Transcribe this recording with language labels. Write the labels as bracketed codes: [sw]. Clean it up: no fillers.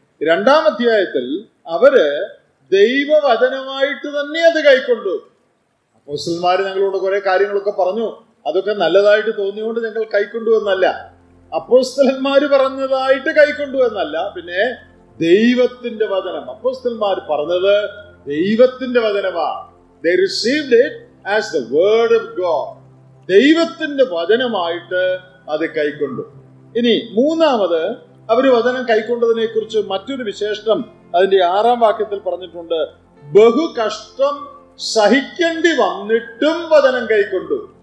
[ml] 2 അവര് ദൈവവചനമായിട്ട് തന്നെ അത് കൈക്കൊണ്ടു. അപ്പോസ്തലന്മാർ ഞങ്ങളോട് കുറെ കാര്യങ്ങളൊക്കെ പറഞ്ഞു, അതൊക്കെ നല്ലതായിട്ട് തോന്നിയോണ്ട് ഞങ്ങൾ കൈക്കൊണ്ടു എന്നല്ല. അപ്പോസ്തലന്മാർ പറഞ്ഞതായിട്ട് കൈക്കൊണ്ടു എന്നല്ല, പിന്നെ ദൈവത്തിന്റെ വചനം. അപ്പോസ്തലന്മാർ പറഞ്ഞത് ദൈവത്തിന്റെ വചനമാ. [en] They received it as the word of God. [ml] ദൈവത്തിന്റെ വചനമായിട്ട് അത് കൈക്കൊണ്ടു. ഇനി 3, അവര് വചനം കൈക്കൊണ്ടതിനെ കുറിച്ച് മറ്റൊരു വിശേഷണം അതിന്റെ 6 പറഞ്ഞിട്ടുണ്ട്. ബഹു കഷ്ടം സഹിക്കേണ്ടി വന്നിട്ടും വചനം കൈക്കൊണ്ടു.